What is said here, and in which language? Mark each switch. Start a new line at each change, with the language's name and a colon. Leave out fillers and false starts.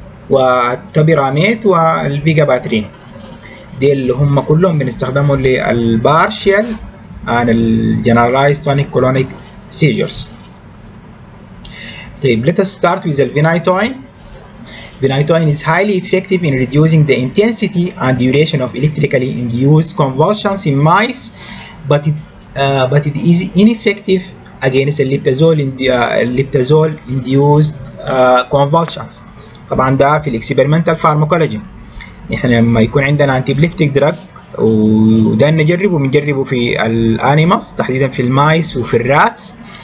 Arabic: والتوبيراميت والفيجا باترين، دي اللي هم كلهم بنستخدمهم للبارشيال عن الجنرالايزد تونيك كولونيك سيجرز.
English: طيب let us start with الفينايتوين. الفينايتوين is highly effective in reducing the intensity and duration of electrically induced convulsions in mice, but it is ineffective against the liptazole induced convulsions.
Arabic: طبعا ده في الاكسبيرمنتال فارماكولوجي، احنا لما يكون عندنا انتيبليبتيك دراج وده نجربه بنجربه في الانيمالز تحديدا في المايس وفي الراتس.